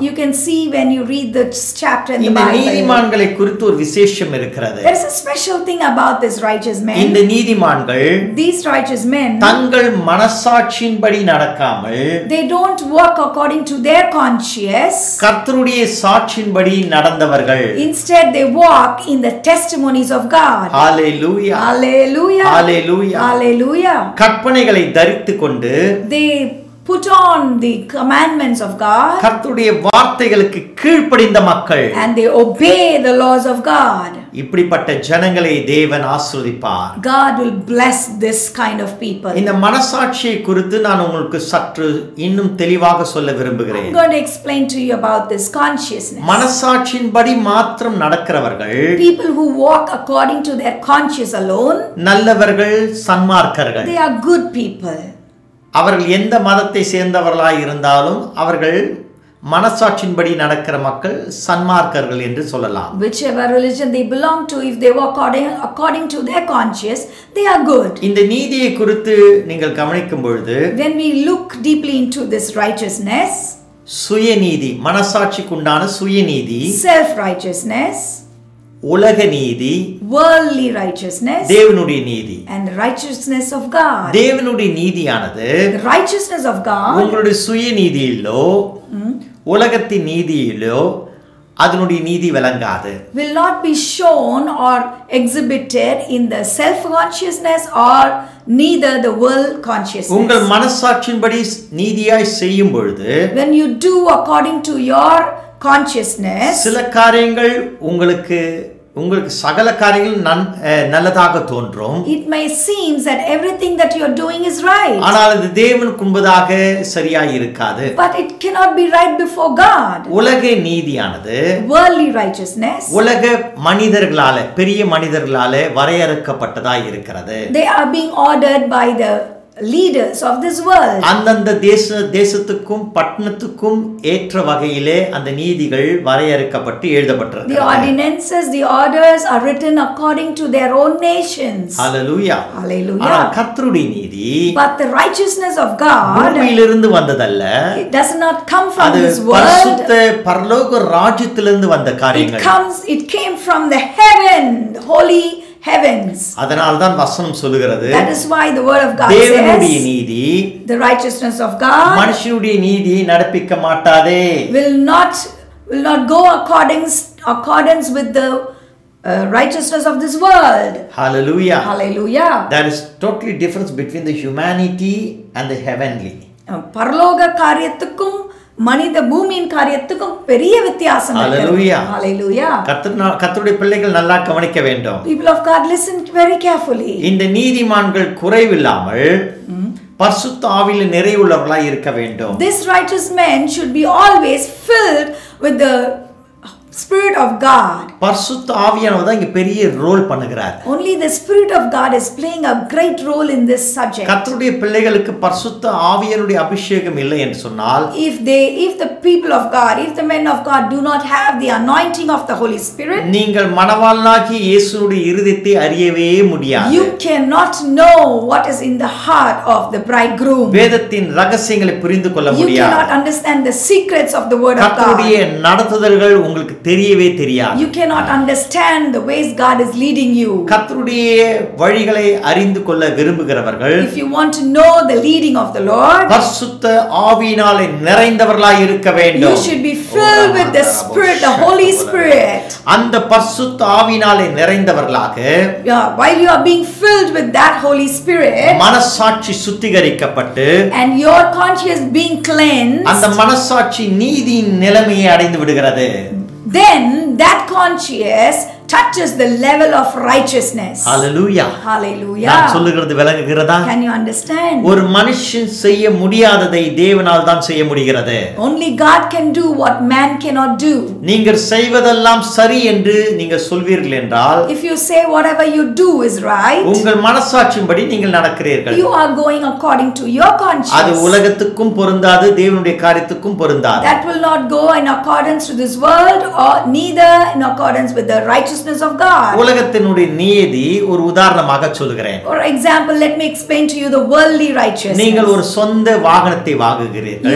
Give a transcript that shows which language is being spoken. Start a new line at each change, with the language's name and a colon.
English: You can see when you read the chapter in the Bible.
Tamil: இந்த நீதிமான்களை குறித்து ஒரு விசேஷம் இருக்கிறது.
English: There is a special thing about this righteous man.
Tamil: இந்த நீதிமான்கள்
English: these righteous men
Tamil: தங்கள் மனசாட்சியின்படி நடக்காமல்
English: they don't walk according to their conscience
Tamil: கர்த்தருடைய சாட்சியின்படி நடந்தவர்கள்
English: instead they walk in the testimonies of God hallelujah hallelujah hallelujah hallelujah
Tamil: கற்பனைகளை தரித்துக்கொண்டு
English: they put on the commandments of God
Tamil: கர்த்தருடைய வார்த்தைகளுக்கு கீழ்ப்படிந்த மக்கள்
English: and they obey the laws of God
Tamil: இப்படிப்பட்ட ஜனங்களை தேவன் ஆசீர்வதிப்பார்
English: God will bless this kind of people
Tamil: இந்த மனசாட்சியை குறித்து நான் உங்களுக்கு சற்று இன்னும் தெளிவாக சொல்ல விரும்புகிறேன்
English: I'm going to explain to you about this consciousness
Tamil: மனசாட்சியின்படி மட்டும் நடக்கிறவர்கள்
English: people who walk according to their conscience alone
Tamil: நல்லவர்கள் சன்மார்க்கர்கள்
English: they are good people
Tamil: அவர்கள் எந்த மதத்தை சேர்ந்தவர்களாய் இருந்தாலும் அவர்கள் மனசாட்சியின்படி நடக்கிற மக்கள் சன்மார்க்கர்கள் என்று சொல்லலாம்
English: whichever religion they belong to if they walk according to their conscience they are good
Tamil: இந்த நீதியை குறித்து நீங்கள் கவனிக்கும் பொழுது
English: when we look deeply into this righteousness
Tamil: சுயநீதி மனசாட்சிக்குண்டான சுயநீதி
English: self righteousness
Tamil: உலக நீதி
English: worldly righteousness
Tamil: தேவனுடைய நீதி
English: and righteousness of God
Tamil: தேவனுடைய நீதியானது
English: the righteousness of God
Tamil: உங்களுடைய சுயநீதியிலோ உலகத்தின் நீதியிலோ அதனுடைய நீதி விளங்காது
English: will not be shown or exhibited in the self consciousness or neither the world consciousness
Tamil: உங்கள் மனசாட்சியின்படி நீதியாய் செய்யும் பொழுது
English: when you do according to your consciousness
Tamil: சில காரியங்கள் உங்களுக்கு சகல காரியங்களும் நல்லதாக தோன்றும்
English: it may seem that everything that you are doing is right
Tamil: ஆனால் அது தேவனுக்கு முன்பதாக சரியாய் இருக்காது
English: but it cannot be right before god
Tamil: உலக நீதியானது
English: worldly righteousness
Tamil: உலக மனிதர்களால பெரிய மனிதர்களால வரையறுக்கப்பட்டதாய் இருக்கிறது
English: they are being ordered by the leaders of this world
Tamil: அந்தந்த தேசத்துக்கும் பட்டணத்துக்கும் ஏற்ற வகையிலே அந்த நீதிகள் வரையறுக்கப்பட்டு எழுதப்பட்டிருக்கு
English: the ordinances the orders are written according to their own nations hallelujah hallelujah
Tamil: கர்த்தருடைய நீதி
English: but the righteousness of god
Tamil: பூமியிலிருந்து வந்ததல்ல
English: it does not come from this world
Tamil: அது பரிசுத்த பரலோக ராஜ்யத்திலிருந்து வந்த காரியங்கள்
English: it came from the heaven the holy heavens
Tamil: அதனால தான் வசனம் சொல்கிறது
English: that is why the word of god
Tamil: தேவனுடைய நீதி
English: the righteousness of god
Tamil: மனுஷனுடைய நீதி நடப்பிக்க மாட்டாதே
English: will not go accordance with the righteousness of this world hallelujah hallelujah that is totally difference between the humanity and the heavenly
Tamil: பரலோக காரியத்துக்கும் மனித பூமியின் காரியத்துக்கும் பெரிய வித்தியாசம் ஹalleluya ஹalleluya கர்த்தருடைய பிள்ளைகள் நல்லா கவனிக்க வேண்டும்
English: people of god listen very carefully
Tamil: இந்த நீதிமான்கள் குறைவில்லாமல் பரிசுத்த ஆவியில் நிறைவுள்ளவர்களாய் இருக்க வேண்டும்
English: this righteous man should be always filled with the spirit of god
Tamil: பரிசுத்த ஆவியானவர் தான் இங்க பெரிய ரோல் பண்ணுகிறார்
English: only the spirit of god is playing a great role in this subject
Tamil: கர்த்தருடைய பிள்ளைகளுக்கு பரிசுத்த ஆவியருடைய அபிஷேகம் இல்லை என்று சொன்னால்
English: if the people of god if the men of god do not have the anointing of the holy spirit
Tamil: நீங்கள் மனவாளனாகிய இயேசுவுடைய இருதயத்தை அறியவே முடியாது
English: you cannot know what is in the heart of the bridegroom
Tamil: வேதத்தின் ரகசியங்களை புரிந்துகொள்ள முடியாது
English: you cannot understand the secrets of the word of god
Tamil: கர்த்தருடைய நடத்துதல்கள் உங்களுக்கு தெரியவே தெரியாது
English: you cannot understand the ways god is leading you
Tamil: கர்த்தருடைய வழிகளை அறிந்து கொள்ள விரும்புகிறவர்கள்
English: if you want to know the leading of the lord
Tamil: பரிசுத்த ஆவியினாலே நிறைந்தவர்களாய் இருக்க வேண்டும்
English: you should be filled with the spirit the holy spirit
Tamil: அந்த பரிசுத்த ஆவியினாலே நிறைந்தவர்களாக
English: while you are being filled with that holy spirit
Tamil: மனசாட்சி சுத்திகரிக்கப்பட்டு
English: and your conscience being cleansed
Tamil: அந்த மனசாட்சி நீதியின் நிலையை அடைந்து விடுகிறது
English: then that conscience touches the level of righteousness. Hallelujah. Hallelujah.
Tamil: நான் சொல்லுகிறது விளங்குகிறதா?
English: Can you understand?
Tamil: ஒரு மனுஷன் செய்ய முடியாததை தேவனால் தான் செய்ய முடிகிறது.
English: Only God can do what man cannot do.
Tamil: நீங்கள் செய்வதெல்லாம் சரி என்று நீங்கள் சொல்வீர்கள் என்றால்,
English: If you say whatever you do is right,
Tamil: உங்கள் மனசாட்சியின்படி நீங்கள் நடக்கிறீர்கள்.
English: You are going according to your conscience.
Tamil: அது உலகத்துக்கும் பொருந்தாது தேவனுடைய காரியத்துக்கும் பொருந்தாது.
English: That will not go in accordance to this world or neither in accordance with the righteousness of God.
Tamil: உலகத்தினுடைய நீதி ஒரு உதாரணமாக சொல்கிறேன்.
English: For example, let me explain to you the worldly righteousness.
Tamil: நீங்கள் ஒரு சொந்த வாகனத்தை வாங்குகிறீர்கள்.